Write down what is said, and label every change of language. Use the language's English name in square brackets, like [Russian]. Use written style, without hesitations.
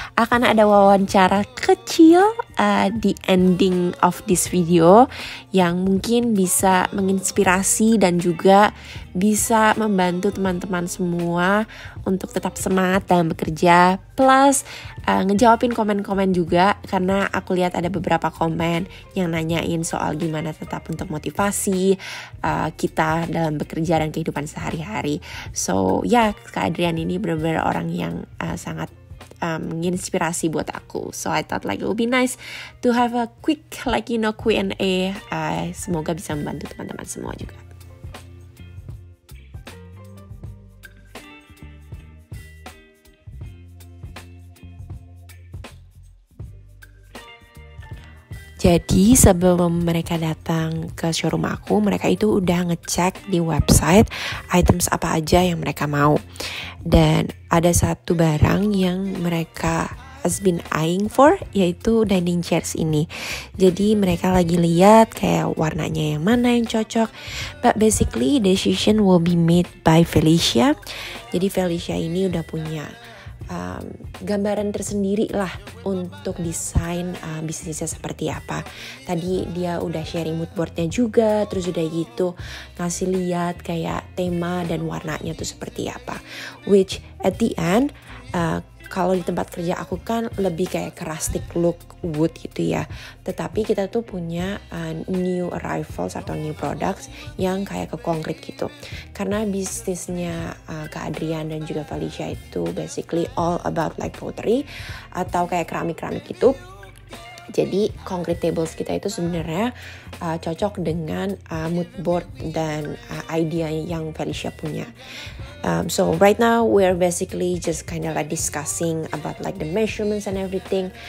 [Indonesian] Akan ada wawancara kecil di ending of this video yang mungkin bisa menginspirasi dan juga bisa membantu teman-teman semua untuk tetap semangat dalam bekerja, plus ngejawabin komen-komen juga, karena aku lihat ada beberapa komen yang nanyain soal gimana tetap untuk motivasi kita dalam bekerja dan kehidupan sehari-hari. So ya, Kak Adrian ini benar-benar orang yang sangat menginspirasi buat aku. [English] So I thought like it would be nice to have a quick like you know Q&A. [Indonesian] Semoga bisa membantu teman-teman semua juga. Jadi sebelum mereka datang ke showroom aku, mereka itu udah ngecek di website items apa aja yang mereka mau. Dan ada satu barang yang mereka has been eyeing for, yaitu dining chairs ini. Jadi mereka lagi lihat kayak warnanya yang mana yang cocok. [English] But basically decision will be made by Felicia. [Indonesian] Jadi Felicia ini udah punya gambaran tersendiri lah untuk desain bisnisnya seperti apa. Tadi dia udah sharing mood boardnya juga, terus udah gitu ngasih lihat kayak tema dan warnanya tuh seperti apa. Which at the end, kalau di tempat kerja aku kan lebih kayak ke rustic look wood gitu ya. Tetapi kita tuh punya new arrivals atau new products yang kayak ke konkrit gitu. Karena bisnisnya Kak Adrian dan juga Felicia itu basically all about like pottery atau kayak keramik-keramik gitu. Jadi concrete tables kita itu sebenarnya cocok dengan mood board dan idea yang Felicia punya. [English] So right now we are basically just kind of like discussing about like the measurements and everything.